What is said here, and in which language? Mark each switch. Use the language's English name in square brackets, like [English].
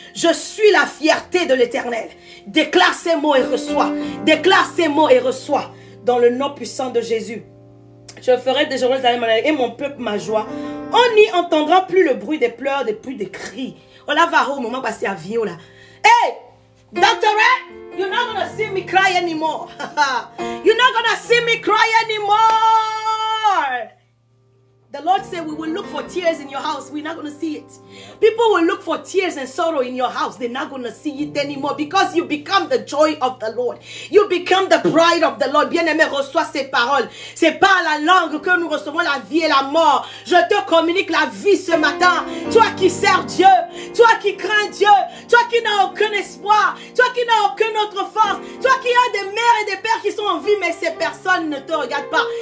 [French] Je suis la fierté de l'Éternel. Déclare ces mots et reçois. Déclare ces mots et reçois. Dans le nom puissant de Jésus. Je ferai des joies et mon peuple ma joie. On n'y entendra plus le bruit des pleurs, des plus des cris. On la va au moment passé à Vio là. [English] Hey, Dr. Ray, you're not gonna see me cry anymore. You're not gonna see me cry anymore. The Lord said, we will look for tears in your house. We're not going to see it. People will look for tears and sorrow in your house. They're not going to see it anymore because you become the joy of the Lord. You become the pride of the Lord. [French] Bien-aimé, reçois ces paroles. C'est par la langue que nous recevons la vie et la mort. Je te communique la vie ce matin. Toi qui sers Dieu, toi qui crains Dieu, toi qui n'as aucun espoir, toi qui n'as aucune autre force, toi qui as des mères et des pères qui sont en vie, mais ces personnes ne te regardent pas.